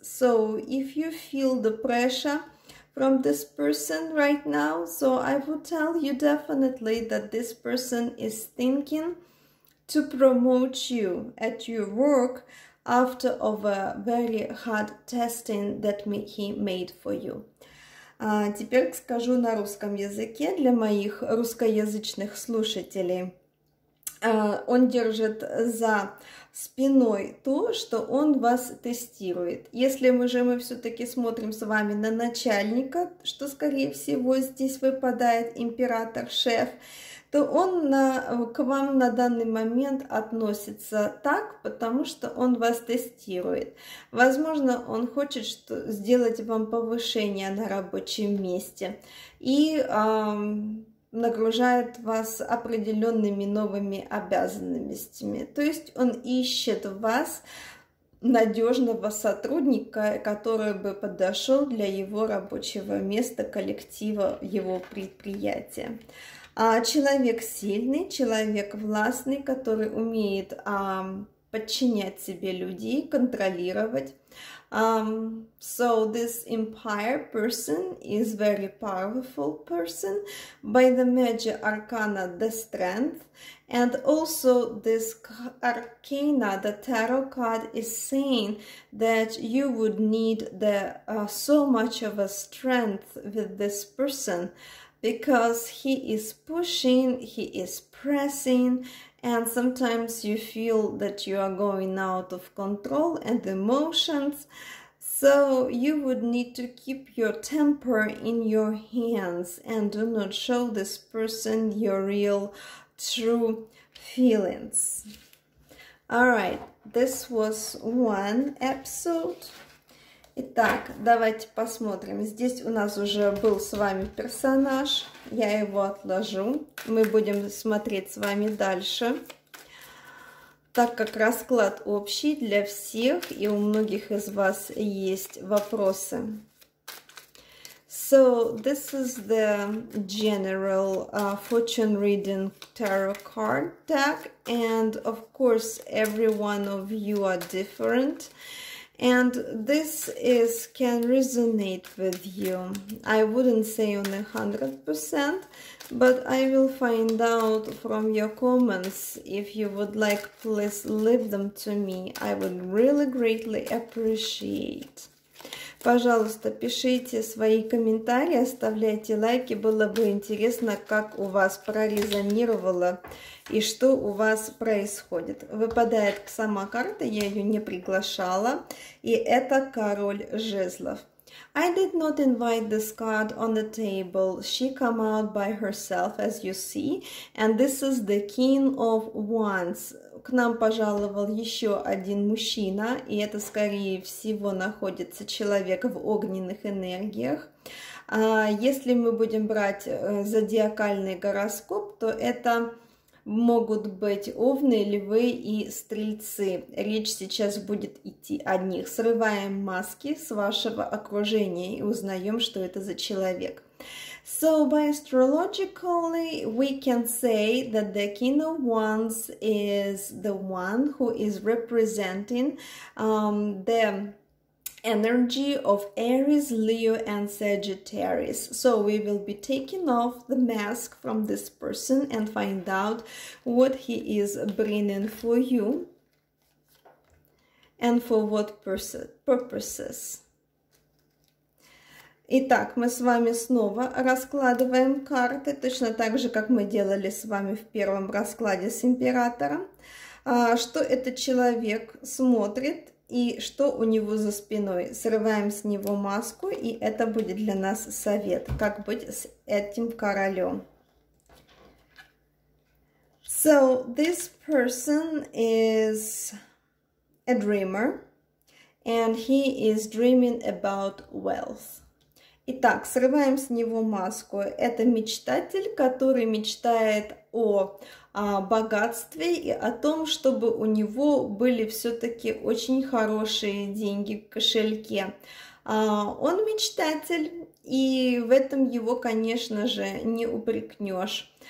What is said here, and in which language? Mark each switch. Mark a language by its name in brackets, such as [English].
[English] So if you feel the pressure from this person right now, so I would tell you definitely that this person is thinking to promote you at your work after of a very hard testing that he made for you. [Russian] Теперь скажу на русском языке для моих русскоязычных слушателей. Он держит за спиной то, что он вас тестирует. Если мы же мы все-таки смотрим с вами на начальника, что, скорее всего, здесь выпадает император, шеф, то он к вам на данный момент относится так, потому что он вас тестирует. Возможно, он хочет сделать вам повышение на рабочем месте и нагружает вас определенными новыми обязанностями. То есть он ищет в вас надежного сотрудника, который бы подошел для его рабочего места, коллектива, его предприятия. А человек сильный, человек властный, который умеет подчинять себе людей, контролировать. [English] So this empire person is very powerful person by the major arcana, the strength. And also this arcana, the tarot card, is saying that you would need so much of a strength with this person. Because he is pushing, he is pressing, and sometimes you feel that you are going out of control and emotions. So you would need to keep your temper in your hands and do not show this person your real true feelings. All right, this was one episode. [Russian] Итак, давайте посмотрим. Здесь у нас уже был с вами персонаж. Я его отложу. Мы будем смотреть с вами дальше. Так как расклад общий для всех, и у многих из вас есть вопросы. [English] So, this is the general fortune reading tarot card deck. And, of course, every one of you are different. And this is can resonate with you. I wouldn't say on 100%, but I will find out from your comments. If you would like, please leave them to me. I would really greatly appreciate. [Russian] Пожалуйста, пишите свои комментарии, оставляйте лайки. Было бы интересно, как у вас прорезонировало и что у вас происходит. Выпадает сама карта, я ее не приглашала. И это король жезлов. [English] I did not invite this card on the table. She came out by herself, as you see. And this is the king of wands. [Russian] К нам пожаловал еще один мужчина, и это, скорее всего, находится человек в огненных энергиях. Если мы будем брать зодиакальный гороскоп, то это могут быть овны, львы и стрельцы. Речь сейчас будет идти о них. Срываем маски с вашего окружения и узнаем, что это за человек. [English] So, by astrologically, we can say that the King of Wands is the one who is representing the energy of Aries, Leo, and Sagittarius. So, we will be taking off the mask from this person and find out what he is bringing for you and for what purposes. [Russian] Итак, мы с вами снова раскладываем карты, точно так же, как мы делали с вами в первом раскладе с императором. Что этот человек смотрит и что у него за спиной? Срываем с него маску, и это будет для нас совет, как быть с этим королем. [English] So, this person is a dreamer, and he is dreaming about wealth. [Russian] Итак, срываем с него маску. Это мечтатель, который мечтает о богатстве и о том, чтобы у него были все-таки очень хорошие деньги в кошельке. Он мечтатель, и в этом его, конечно же, не упрекнешь.